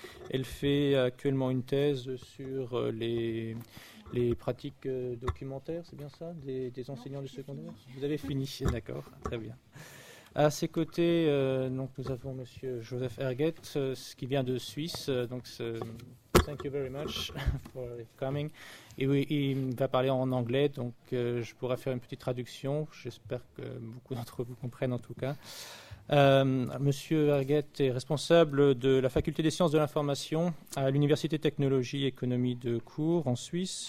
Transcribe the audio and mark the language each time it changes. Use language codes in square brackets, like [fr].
[fr] Elle fait actuellement une thèse sur les pratiques documentaires, c'est bien ça, des enseignants du secondaire. Vous avez fini, d'accord, très bien. À ses côtés, donc nous avons Monsieur Joseph Erget, qui vient de Suisse. [en] Donc, thank you very much for coming. [fr] Et oui, il va parler en anglais, donc je pourrais faire une petite traduction. J'espère que beaucoup d'entre vous comprennent en tout cas. Monsieur Erget est responsable de la faculté des sciences de l'information à l'Université Technologie et Économie de Chur en Suisse.